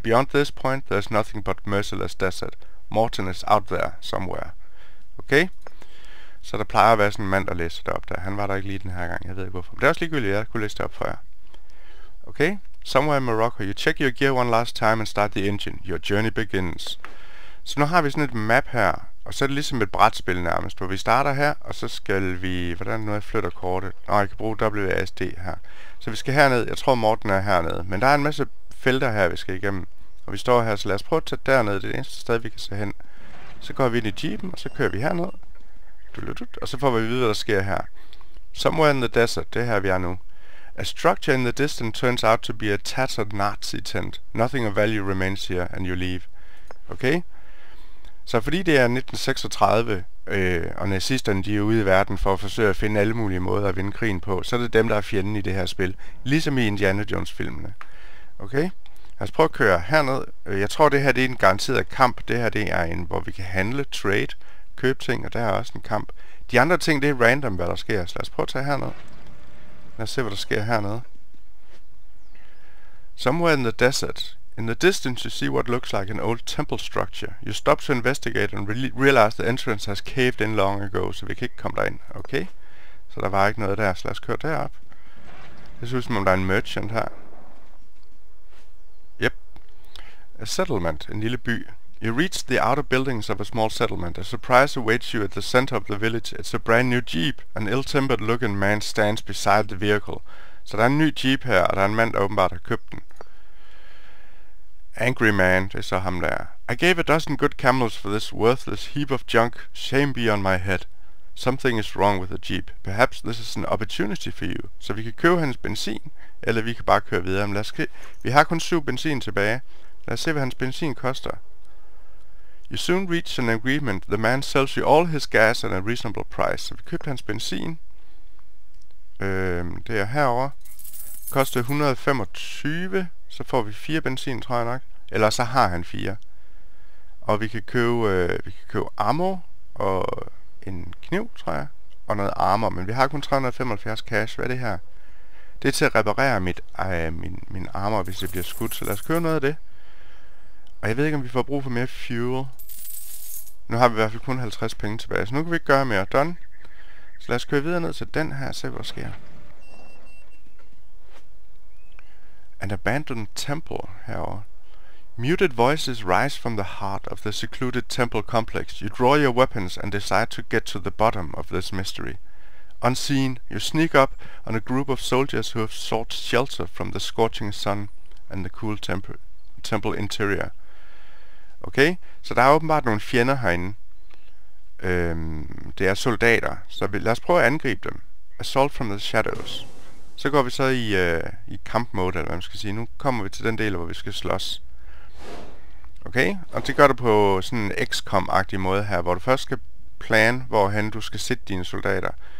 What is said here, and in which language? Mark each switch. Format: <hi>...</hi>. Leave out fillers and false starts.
<en>Beyond this point, there's nothing but merciless desert. Morton is out there somewhere. Okay?</en> <da>Så der plejer at være sådan en mand, der læser det op der. Han var der ikke lige den her gang, jeg ved ikke hvorfor. Men det er også ligegyldigt, jeg kunne læse det op for jer. Okay?</da> <en>Somewhere in Morocco, you check your gear one last time and start the engine. Your journey begins.</en> <da>Så nu har vi sådan et map her, og så er det ligesom et brætspil nærmest, hvor vi starter her, og så skal vi... Hvordan nu, jeg flytter kortet? Nå, jeg kan bruge WASD her. Så vi skal herned. Jeg tror, Morten er hernede. Men der er en masse felter her, vi skal igennem. Og vi står her, så lad os prøve at tage dernede. Det er det eneste sted, vi kan se hen. Så går vi ind i jeepen, og så kører vi herned. Og så får vi at vide, hvad der sker her.</da> <en>Somewhere in the desert,</en> <da>det er her, vi er nu.</da> <en>A structure in the distance turns out to be a tattered Nazi tent. Nothing of value remains here, and you leave. Okay?</en> <da>Så fordi det er 1936, og nazisterne de er ude i verden for at forsøge at finde alle mulige måder at vinde krigen på, så er det dem, der er fjenden i det her spil. Ligesom i Indiana Jones-filmene. Okay? Lad os prøve at køre herned. Jeg tror, det her det er en garanteret kamp. Det her det er en, hvor vi kan handle, trade, købe ting, og der er også en kamp. De andre ting, det er random, hvad der sker. Så lad os prøve at tage herned. Lad os se, hvad der sker hernede. Somewhere in the desert. In the distance, you see what looks like an old temple structure.</da> <en>You stop to investigate and realize the entrance has caved in long ago,</en> <da>så vi kan ikke komme derind.</da> <en>Okay?</en> <da>Så der var ikke noget der, så lad os køre derop. Det ser ud som om, der er en merchant her.</da> <en>Yep. A settlement.</en> <da>En lille by.</da> <en>You reach the outer buildings of a small settlement. A surprise awaits you at the center of the village. It's a brand new jeep. An ill-tempered looking man stands beside the vehicle.</en> <da>Så der er en ny jeep her, og der er en mand, der åbenbart har købt den.</da> <en>Angry man,</en> <da>det er så ham der.</da> <en>I gave a dozen good camels for this worthless heap of junk. Shame be on my head. Something is wrong with the jeep. Perhaps this is an opportunity for you.</en> <da>Så vi kan købe hans benzin, eller vi kan bare køre videre. Men lad os vi har kun 7 benzin tilbage. Lad os se, hvad hans benzin koster. You soon reach an agreement. The man sells you all his gas at a reasonable price. Så vi købte hans benzin. Det er herovre. Koster 125. Så får vi 4 benzin, tror jeg nok. Eller så har han 4. Og vi kan købe ammo og en kniv, tror jeg. Og noget armor. Men vi har kun 375 cash. Hvad er det her? Det er til at reparere min armor, hvis det bliver skudt. Så lad os købe noget af det. Og jeg ved ikke, om vi får brug for mere fuel. Nu har vi i hvert fald kun 50 penge tilbage, så nu kan vi ikke gøre mere. Done. Så lad os køre videre ned til den her og se, hvad der sker.</da> <en>An abandoned temple herovre. Muted voices rise from the heart of the secluded temple complex. You draw your weapons and decide to get to the bottom of this mystery. Unseen, you sneak up on a group of soldiers who have sought shelter from the scorching sun and the cool temple interior.</en> <da>Okay, så der er åbenbart nogle fjender herinde. Det er soldater, så lad os prøve at angribe dem.</da> <en>Assault from the shadows.</en> <da>Så går vi så i kampmode, eller hvad man skal sige. Nu kommer vi til den del, hvor vi skal slås. Okay, og det gør du på sådan en XCOM-agtig måde her, hvor du først skal plan, hvorhen du skal sætte dine soldater.</da>